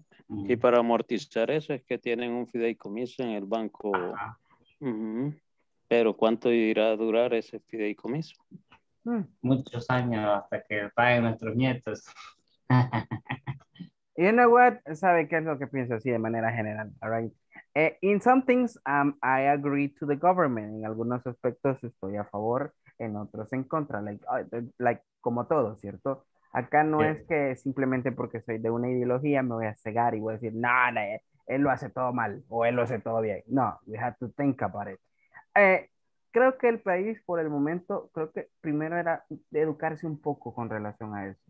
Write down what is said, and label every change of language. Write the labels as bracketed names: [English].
[Spanish] Y para amortizar eso es que tienen un fideicomiso en el banco. Pero ¿cuánto irá a durar ese fideicomiso? Muchos años hasta que paguen nuestros nietos. [English] You know what? [Spanish] ¿Sabe qué es lo que pienso así de manera general? [English] All right. In some things, I agree to the government. [Spanish] En algunos aspectos estoy a favor, en otros en contra. Like como todo, ¿cierto? Acá no es que simplemente porque soy de una ideología me voy a cegar y voy a decir, no, él lo hace todo mal o él lo hace todo bien. No, [English] we have to think about it. [Spanish] Creo que el país, por el momento, creo que primero era educarse un poco con relación a eso.